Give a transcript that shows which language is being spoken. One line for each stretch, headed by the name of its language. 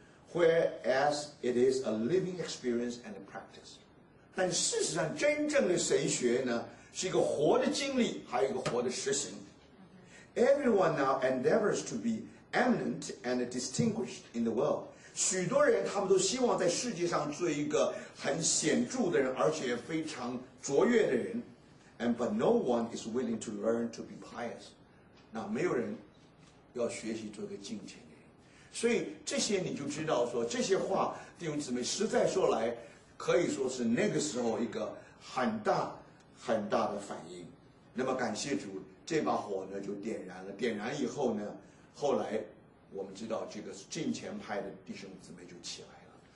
English: Whereas it is a living experience and a practice，
Chinese: 但事实上真正的神学呢，是一个活的经历，还有一个活的实行。
English: Everyone now endeavors to be eminent and distinguished in the world。
Chinese: 许多人他们都希望在世界上做一个很显著的人，而且非常卓越的人。
English: And but no one is willing to learn to be pious。
Chinese: 那没有人要学习做一个敬虔的人。所以这些你就知道说，这些话弟兄姊妹实在说来，可以说是那个时候一个很大很大的反应。那么感谢主，这把火呢就点燃了。点燃以后呢，后来我们知道这个敬虔派的弟兄姊妹就起来了。